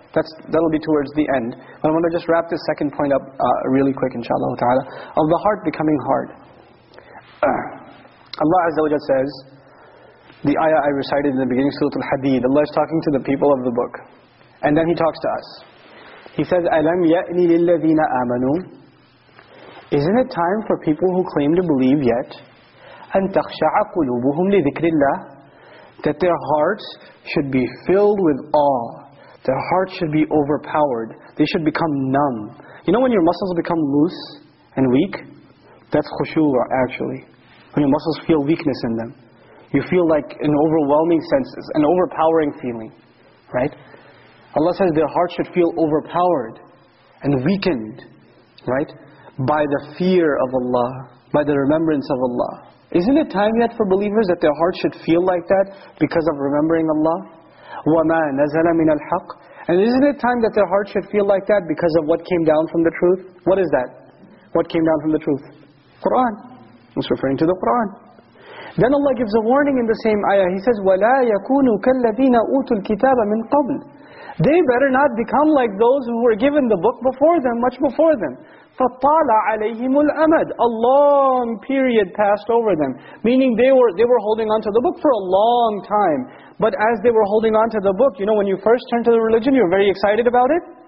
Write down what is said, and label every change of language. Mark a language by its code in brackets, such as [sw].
[en] That'll be towards the end. But I want to just wrap this second point up really quick, inshallah ta'ala, of the heart becoming hard. Allah Azza wa Jalla says, the ayah I recited in the beginning, Surah Al-Hadid, Allah is talking to the people of the book. And then He talks to us. [ar] He says, أَلَمْ يَأْنِ لِلَّذِينَ آمَنُوا. [en] Isn't it time for people who claim to believe yet? [ar] أَنْ تَخْشَعَ قُلُوبُهُمْ لِذِكْرِ اللَّهِ. [en] That their hearts should be filled with awe. Their hearts should be overpowered. They should become numb. You know when your muscles become loose and weak? That's khushu' actually. When your muscles feel weakness in them. You feel like an overwhelming sense, an overpowering feeling. Right? Allah says their hearts should feel overpowered and weakened. Right? By the fear of Allah. By the remembrance of Allah. Isn't it time yet for believers that their hearts should feel like that because of remembering Allah? [ar] وَمَا نَزَلَ مِنَ الْحَقِّ. [en] And isn't it time that their hearts should feel like that because of what came down from the truth? What is that? What came down from the truth? Quran. It's referring to the Quran. Then Allah gives a warning in the same ayah. He says, [ar] وَلَا يَكُونُوا كَالَّذِينَ أُوتُوا الْكِتَابَ مِنْ قَبْلِ. [en] They better not become like those who were given the book before them, much before them. [ar] فَطَالَ عَلَيْهِمُ الْأَمَدِ. [en] A long period passed over them. Meaning they were holding on to the book for a long time. But as they were holding on to the book, you know when you first turn to the religion, you're very excited about it.